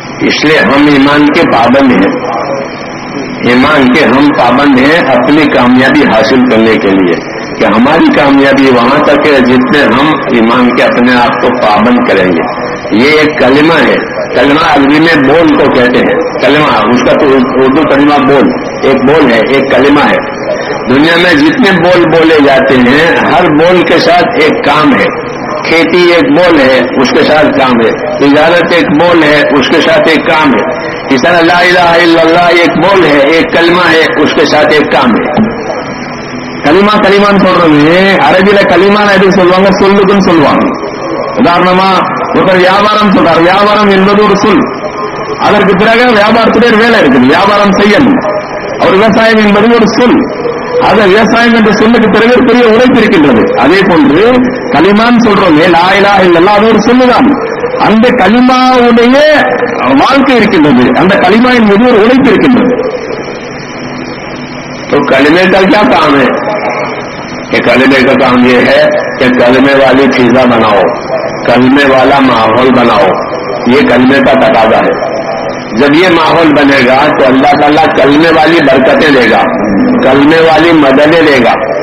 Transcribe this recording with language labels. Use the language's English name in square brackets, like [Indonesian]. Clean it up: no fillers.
[Urdu] இஸ்லே ஹம் ஈமான் கே பாபந்த் ஹே, ஈமான் கே ஹம் பாபந்த் ஹே Apni காமயாபி Hazle கர்னே K லியே, کہ ہماری کامیابی وہاں تک ہے جتنے ہم ایمان کے اپنے آپ کو پابند کریں گے. یہ ایک کلمہ ہے, کلمہ عربی میں بول کو کہتے ہیں, کلمہ اس کا تو اردو کلمہ بول, ایک بول ہے ایک کلمہ ہے. دنیا میں جتنے بول بولے جاتے ہیں ہر بول کے ساتھ ایک کام ہے. کھیتی ایک بول ہے اس کے ساتھ کام ہے, تجارت ایک بول ہے اس کے ساتھ ایک کام ہے, اس طرح لا الہ الا اللہ ایک بول ہے ایک کلمہ ہے اس کے ساتھ ایک کام ہے. [Tamil] கலிமா கலிமான்னு சொல்றது அரபியில கலிமான் எதுக்கு சொல்லுவாங்க, சொல்லுக்குன்னு சொல்லுவாங்க. உதாரணமா ஒருத்தர் வியாபாரம் சொல்றாரு, வியாபாரம் என்பது ஒரு சொல், அதற்கு பிறகு வியாபாரத்துடைய வேலை இருக்குது, வியாபாரம் செய்யணும். அவர் விவசாயம் என்பது ஒரு சொல், அது விவசாயம் என்று சொல்லுக்கு பிறகு பெரிய உழைப்பு இருக்கின்றது. அதே போன்று கலிமான் சொல்றோமே லா இலாஹ இல்லல்லாஹ் அது ஒரு சொல்லுதான், அந்த கலிமாவுடைய வாழ்க்கை இருக்கின்றது, அந்த கலிமாவின் மீது ஒரு உழைப்பு இருக்கின்றது. [Urdu] تو کلمے کا کیا کام ہے, کہ کلمے کا کام یہ ہے کہ کلمے والی فضا بناؤ, کلمے والا ماحول بناؤ, یہ کلمے کا تقاضا ہے. جب یہ ماحول بنے گا تو اللہ تعالیٰ کلمے والی برکتیں دے گا, کلمے والی مددیں دے گا.